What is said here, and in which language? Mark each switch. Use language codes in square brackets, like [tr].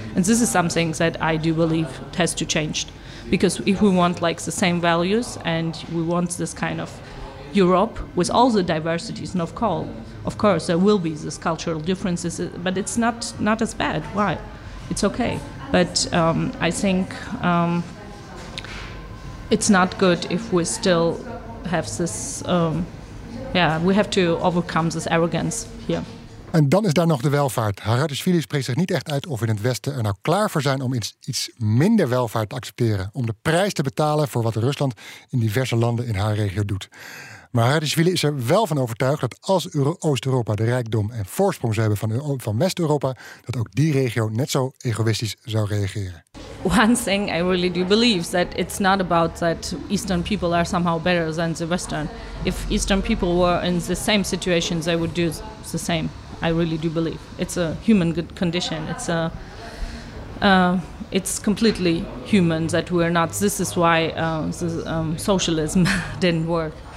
[en] And this is something that I do believe has to change, because if we want like the same values and we want this kind of Europe with all the diversities, and of course there will be these cultural differences, but it's not as bad. Why? It's okay. But I think it's not good if we still have this we have to overcome this arrogance here. [nl] En dan is daar nog de welvaart. Haratischvili spreekt zich niet echt uit of in het Westen er nou klaar voor zijn om iets minder welvaart te accepteren. Om de prijs te betalen voor wat Rusland in diverse landen in haar regio doet. Maar Haratischvili is er wel van overtuigd dat als Oost-Europa de rijkdom en voorsprong zou hebben van West-Europa, dat ook die regio net zo egoïstisch zou reageren. [en] One thing I really do believe is that it's not about that Eastern people are somehow better than the Western. If Eastern people were in the same situation, they would do the same. I really do believe. It's a human good condition. It's completely human that we are not. This is why socialism didn't work.